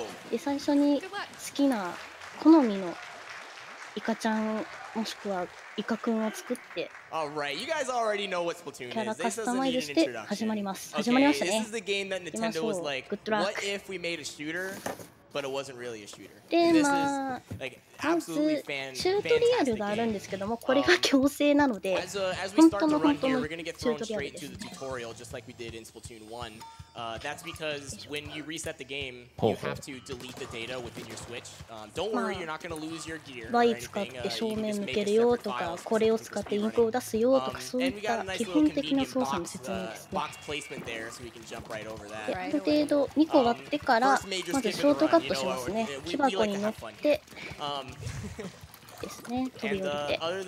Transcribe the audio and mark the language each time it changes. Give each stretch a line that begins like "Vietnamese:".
Japanese: で最初に好きな好みのイカちゃんもしくはイカくんを作ってキャラカスタマイズして始まります。始まりましたね、行きましょう、グッドラック。
English: But it wasn't really a shooter.
Japanese: で、まあ、まずチュートリアルがあるんですけども、これが強制なので本当の本当のチュートリアルですね。
English: Just like we did in Splatoon 1. That's because when you reset the game, you have to delete the data within your Switch. Don't worry, you're not going to lose your gear.
Japanese: Y 使って正面向けるよとか、これを使ってインクを出すよとか、そういった基本的な操作の説明ですね。ある程度2個割ってから、まずショートカットしますね。木箱に乗ってですね、飛び降りて。